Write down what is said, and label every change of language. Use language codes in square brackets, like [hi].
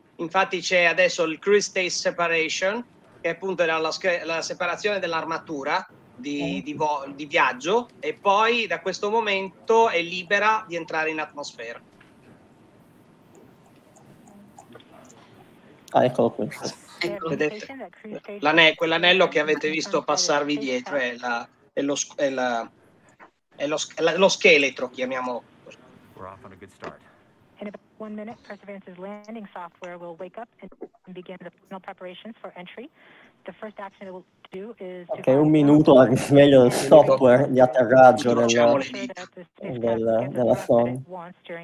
[it] Infatti c'è adesso il crew stage separation, che appunto era la separazione dell'armatura di viaggio, e poi da questo momento è libera di entrare in atmosfera. Ah, eccolo qui. Ecco. Quell'anello che avete visto passarvi dietro è lo scheletro, chiamiamolo. [en] We're off on a good start. In about 1 minute, Perseverance's landing software will wake up and begin the final preparations for entry. The first action it will do is to... [it] Okay, un minuto, anche meglio del software di atterraggio della sonda.